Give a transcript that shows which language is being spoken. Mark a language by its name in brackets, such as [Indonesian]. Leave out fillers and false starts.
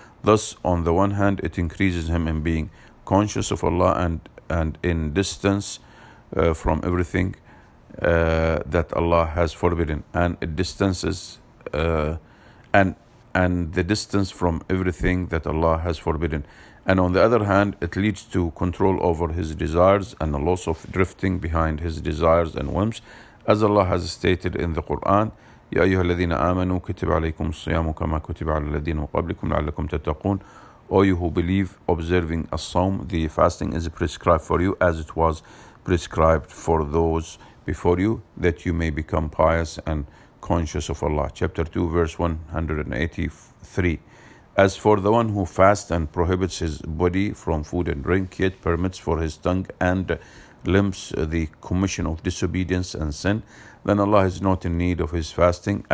[English] Thus, on the one hand, it increases him in being conscious of Allah and in distance from everything that Allah has forbidden, and it distances and the distance from everything that Allah has forbidden. And on the other hand, it leads to control over his desires and a loss of drifting behind his desires and whims. As Allah has stated in the Quran, [Arabic] يا أيها الذين آمنوا كتب عليكم الصيام كما كتب على الذين قبلكم لعلكم تتقون. [English] O you who believe, observing a psalm, the fasting is prescribed for you as it was prescribed for those before you, that you may become pious and conscious of Allah. Chapter 2, verse 183. As for the one who fasts and prohibits his body from food and drink, yet permits for his tongue and limbs the commission of disobedience and sin, then Allah is not in need of his fasting.